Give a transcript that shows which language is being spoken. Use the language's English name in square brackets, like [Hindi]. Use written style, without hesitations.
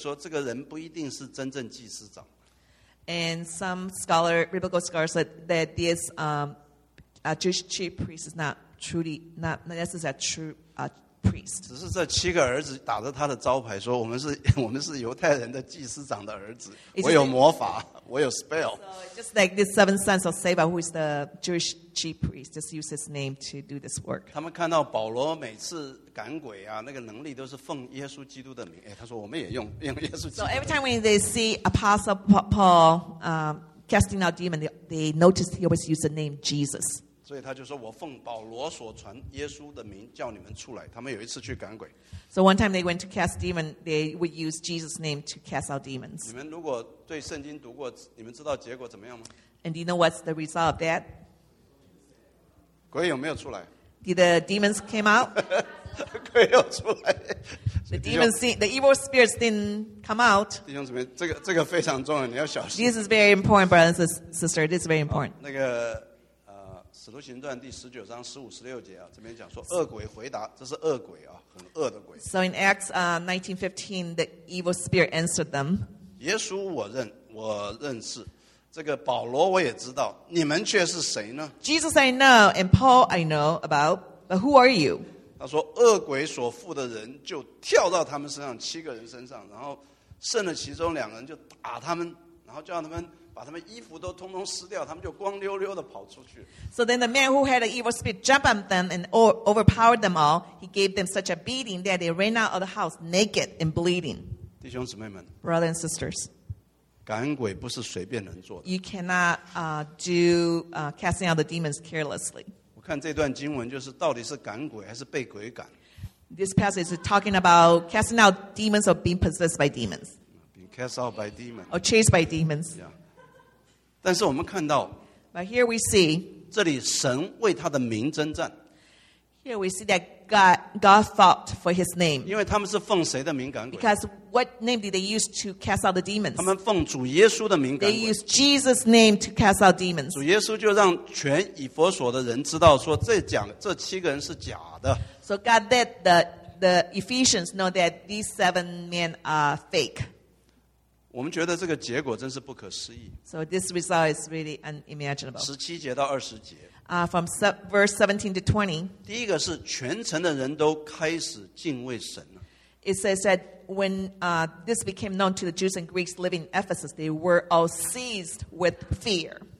[Chinese] 那他们这个学者说这个人不一定是真正祭司长。 [English] And some scholar, biblical scholar said that this Jewish chief priest is not truly, not necessarily a true priest. [Chinese] 只是这七个儿子打着他的招牌说我们是犹太人的祭司长的儿子。我有魔法， 我有spell。 [English] So just like the seven sons of Saba, who is the Jewish chief priest, just use his name to do this work. [Chinese] 他们看到保罗每次赶鬼啊， 那个能力都是奉耶稣基督的名。他说我们也用耶稣基督。 [English] So every time when they see Apostle Paul casting out demons, they notice he always used the name Jesus. [Chinese] 所以他就说我奉保罗所传耶稣的名叫你们出来。他们有一次去赶鬼。 [English] So one time they went to cast demons, they would use Jesus' name to cast out demons. [Chinese] 你们如果对圣经读过， 你们知道结果怎么样吗？ [English] And do you know what's the result of that? [Chinese] 鬼有没有出来？ [English] Did the demons came out? [Chinese] 鬼有出来。 [English] The demons, the evil spirits didn't come out. [Chinese] 弟兄姊妹， 这个非常重要， 你要小心。 [English] This is very important, brothers and sisters. This is very important. [Chinese] 那个 使徒行传第19章15-16节啊， 这边讲说， 恶鬼回答， 这是恶鬼啊， 很恶的鬼。 [English] So in Acts 19:15, the evil spirit answered them. [Chinese] 耶稣我认， 我认识， 这个保罗我也知道， 你们却是谁呢？ [English] Jesus I know, and Paul I know about, but who are you? [Chinese] 他说， 恶鬼所附的人， 就跳到他们身上， 七个人身上， 然后剩了其中两个人， 就打他们， 然后叫他们， 把他们衣服都通通撕掉， 他们就光溜溜地跑出去。 [English] So then the man who had an evil spirit jumped on them and overpowered them all. He gave them such a beating that they ran out of the house naked and bleeding. [Chinese] 弟兄姊妹们， [English] brothers and sisters, [Chinese] 赶鬼不是随便能做的。 [English] You cannot do casting out the demons carelessly. [Chinese] 我看这段经文就是到底是赶鬼还是被鬼赶。 [English] This passage is talking about casting out demons or being possessed by demons. Being cast out by demons. Or chased by demons. Yeah. [Chinese] 但是我们看到, [English] but here we see, [Chinese] 这里神为他的名征战, [English] here we see that God fought for his name. [Chinese] 因为他们是奉谁的名赶鬼? [English] Because what name did they use to cast out the demons? [Chinese] 他们奉主耶稣的名赶鬼。 [English] They used Jesus' name to cast out demons. [Chinese] 主耶稣就让全以弗所的人知道说这七个人是假的。 [English] So God let the Ephesians know that these seven men are fake. [Chinese] 我们觉得这个结果真是不可思议。 [English] So this result is really unimaginable. [Chinese] 17节到20节。 [English] From verse 17 to 20. [Chinese] 第一个是全城的人都开始敬畏神了。 [English] It says that when this became known to the Jews and Greeks living in Ephesus, they were all seized with fear.